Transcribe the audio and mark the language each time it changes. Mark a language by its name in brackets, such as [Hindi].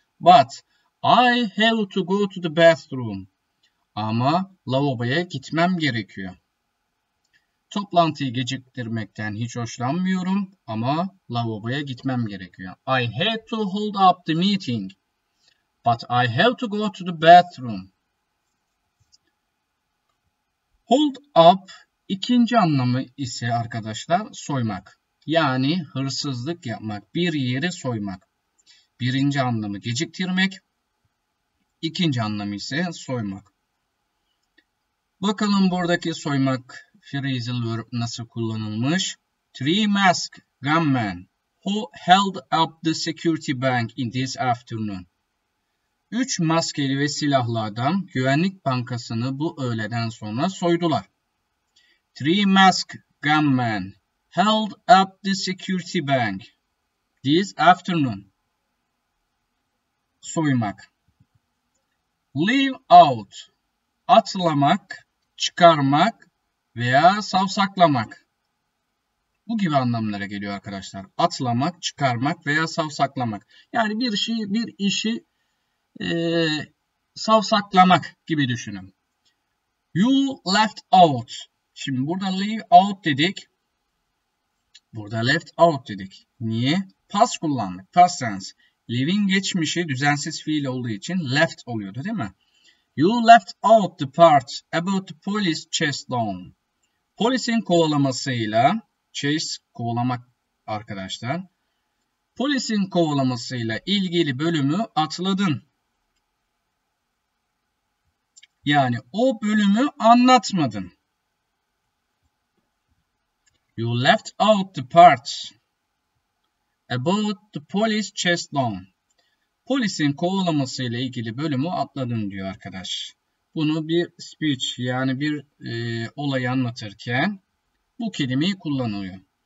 [English] But I have to go to the bathroom. [Turkish] Ama lavaboya gitmem gerekiyor. Toplantıyı geciktirmekten hiç hoşlanmıyorum ama lavaboya gitmem gerekiyor. [English] I had to hold up the meeting. But I have to go to the bathroom. [Turkish] Hold up ikinci anlamı ise arkadaşlar soymak. Yani hırsızlık yapmak, bir yeri soymak. Birinci anlamı geciktirmek. İkinci anlamı ise soymak. Bakalım buradaki soymak phrasal verb nasıl kullanılmış? [English] Three masked gunmen who held up the security bank in this afternoon. [Turkish] Üç maskeli ve silahlı adam güvenlik bankasını bu öğleden sonra soydular. [English] Three masked gunmen held up the security bank this afternoon. [Turkish] Soymak. Leave out. Atlamak, çıkarmak veya savsaklamak. Bu gibi anlamlara geliyor arkadaşlar. Atlamak, çıkarmak veya savsaklamak. Yani bir şeyi, bir işi savsaklamak gibi düşünün. [English] You left out. [Turkish] Şimdi burada leave out dedik. Burada left out dedik. Niye? Past kullandık. Past tense. Leaving geçmişi düzensiz fiil olduğu için left oluyordu, değil mi? [English] You left out the part about the police chase down. [Turkish] Polisin kovalamasıyla, chase kovalamak arkadaşlar. Polisin kovalamasıyla ilgili bölümü atladın. Yani o bölümü anlatmadın. [English] You left out the part about the police chase down. [Turkish] Polisin kovalaması ile ilgili bölümü atladın diyor arkadaş. Bunu bir speech yani bir olayı anlatırken bu kelimeyi kullanıyor.